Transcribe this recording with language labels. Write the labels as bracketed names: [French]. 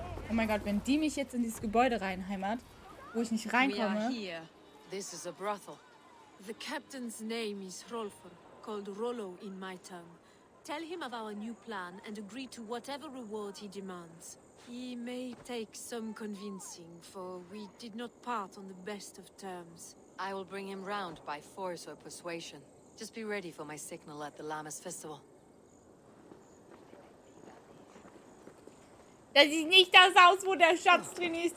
[German] Oh mein Gott, wenn die mich jetzt in dieses Gebäude reinheimert, wo ich nicht reinkomme. [English] We are here. This is a brothel. The captain's name is Rolfr, called Rollo in my tongue. Tell him of our new plan and agree to whatever reward he demands. He may take some convincing, for we did not part on the best of terms. I will bring him round by force or persuasion. Just be ready for my signal at the Lammas Festival. [German] Das sieht nicht das aus, wo der Schatz drin ist.